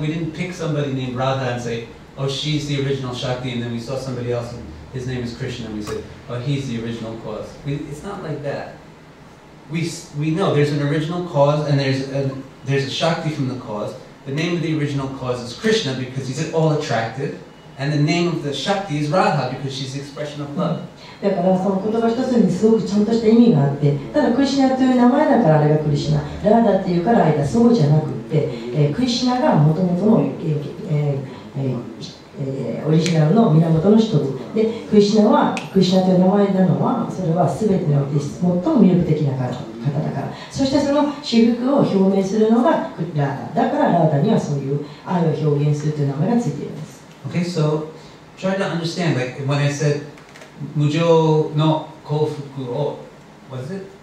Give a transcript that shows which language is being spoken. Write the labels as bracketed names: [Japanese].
[English] We didn't pick somebody named Radha and say, oh, she's the original Shakti, and then we saw somebody else, and his name is Krishna, and we said, oh, he's the original cause. It's not like that. We know there's an original cause, and there's a Shakti from the cause. The name of the original cause is Krishna, because he's all attractive, and the name of the Shakti is Radha, because she's the expression of love. [Japanese] オリジナルの源の人で、クリシナは、クリシナという名前なのは、それは全ての実力、最も魅力的な方だから、そしてその私服を表明するのがラーダ、だからラーダにはそういう愛を表現するという名前がついています。Okay, [English] so try to understand, like when I said, [Japanese] 無常の幸福を、 [English] what is it?